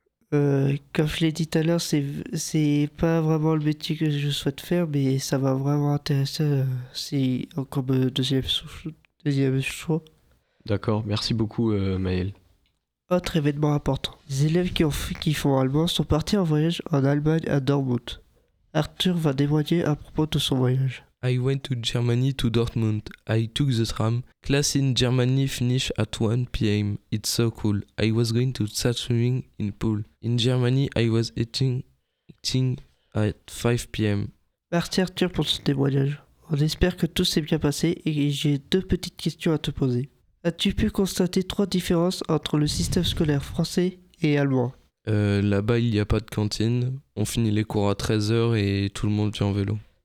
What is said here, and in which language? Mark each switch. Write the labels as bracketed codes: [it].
[fr] Comme je l'ai dit tout à l'heure, c'est pas vraiment le métier que je souhaite faire, mais ça m'a vraiment intéressé. C'est encore mon deuxième choix. D'accord, merci beaucoup Maël. Autre événement important. Les élèves qui font allemand sont partis en voyage en Allemagne à Dortmund. Arthur va témoigner à propos de son voyage. [en] I went to Germany to Dortmund. I took the tram. Class in Germany finished at 1 p.m. It's so cool. I was going to start swimming in pool. In Germany, I was eating at 5 p.m. [fr] Merci Arthur pour ce témoignage. On espère que tout s'est bien passé et j'ai deux petites questions à te poser. As-tu pu constater trois différences entre le système scolaire français et allemand? Là-bas, il n'y a pas de cantine. On finit les cours à 13h et tout le monde vient en vélo.